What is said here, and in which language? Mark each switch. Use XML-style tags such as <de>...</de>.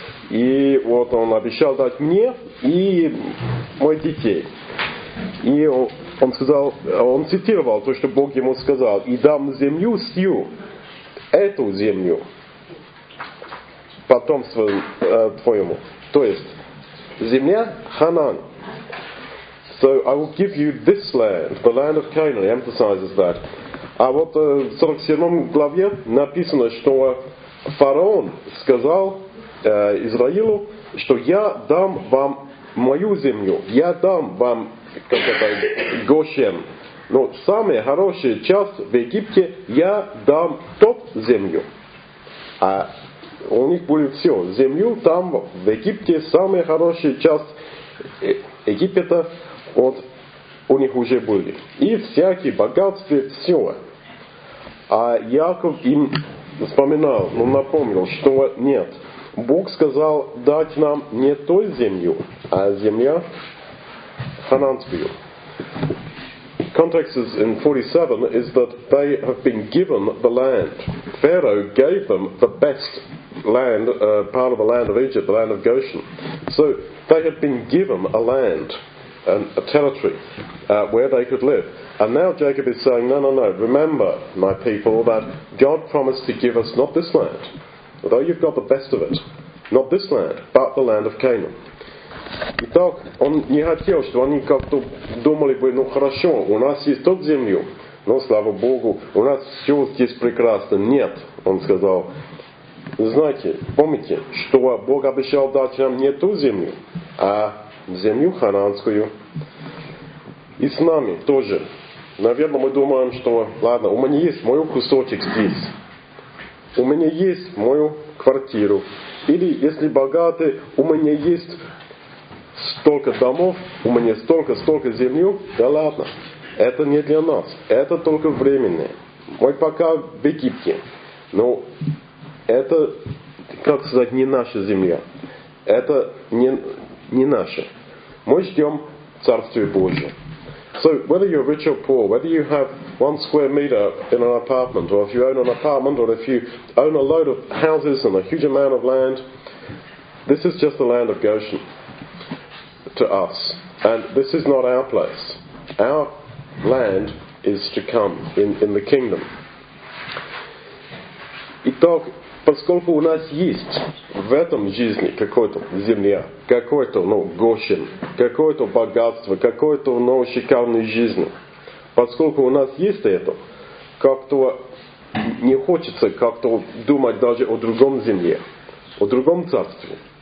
<ru>И вот он обещал дать мне и моих детей. И он сказал, он цитировал то, что Бог ему сказал, и дам землю сию, эту землю, потомству твоему. То есть, земля Ханан.</ru> <en>So I will give you this land, the land of Canaan, he emphasizes that.</en> <ru>А вот в 47 главе написано, что фараон сказал Израилю, что я дам вам мою землю, я дам вам как это, Гошен. Но самая хорошая часть в Египте, я дам тот землю. А у них будет все. Землю там, в Египте, самая хорошая часть Египта, вот у них уже были. И всякие богатства, все. А Яков им вспоминал, ну напомнил, что нет. Бог сказал дать нам не той землю, а земля хананскую.</ru> <en>Context is in 47 is that they have been given the land. Pharaoh gave them the best land, part of the land of Egypt, the land of Goshen. So they had been given a land, a territory, where they could live. And now Jacob is saying, no, no, no, remember, my people, that God promised to give us not this land, although you've got the best of it, not this land, but the land of Canaan.</en> <ru>Итак, он не хотел, чтобы они как-то думали бы, ну хорошо, у нас есть тот землю, но слава Богу, у нас все здесь прекрасно. Нет, он сказал. Знаете, помните, что Бог обещал дать нам не ту землю, а землю хананскую. И с нами тоже. Наверное, мы думаем, что ладно, у меня есть мой кусочек здесь. У меня есть мою квартиру. Или, если богаты, у меня есть столько домов, у меня столько земли, да ладно, это не для нас, это только временное. Мы пока в Египте, но это, как сказать, не наша земля, это не наша. Мы ждем Царствия Божия.</ru> <en>So, whether you're rich or poor, whether you have one square meter in an apartment, or if you own an apartment, or if you own a load of houses and a huge amount of land, this is just the land of Goshen. To us, and this is not our place. Our land is to come in the kingdom.</en> <ru>Итак, поскольку у нас есть в этом жизни какой-то земля, какой-то Гошен, какое-то богатство, какое-то шикарное жизнь, поскольку у нас есть это, как-то не хочется как-то думать даже о другом земле, о другом царстве.</ru>